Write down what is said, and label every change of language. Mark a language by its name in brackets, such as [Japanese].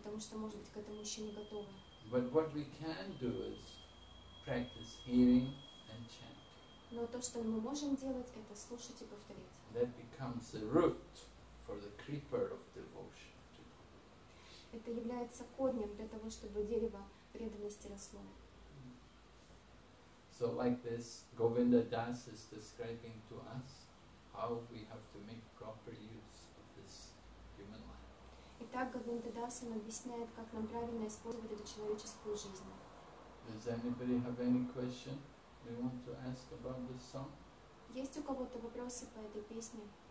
[English] But what we can do is practice hearing and chanting. [Russian] Но то, что мы можем делать, это слушать и повторить. [English] That becomes the root for the creeper of devotion. [Russian] Это является корнем для того, чтобы дерево преданности росло. [English] So like this, Govinda Das is describing to us how we have to make proper use of this human life. [Russian] Итак, Говинда Дас объясняет, как нам правильно использовать эту человеческую жизнь. [English] Does anybody have any question? We want to ask about this song. [Russian] Есть у кого-то вопросы по этой песне?